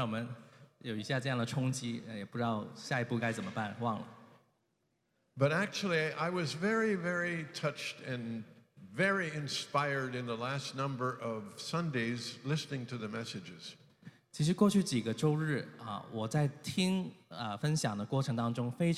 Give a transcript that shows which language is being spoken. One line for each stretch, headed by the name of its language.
Chinese: 让我们有一下这样的冲击, 也不知道下一步该怎么办,忘了。
English: But actually, I was very, very touched and very inspired in the last number of Sundays listening to the messages.
Chinese: 其实过去几个周日, 我在听, 分享的过程当中,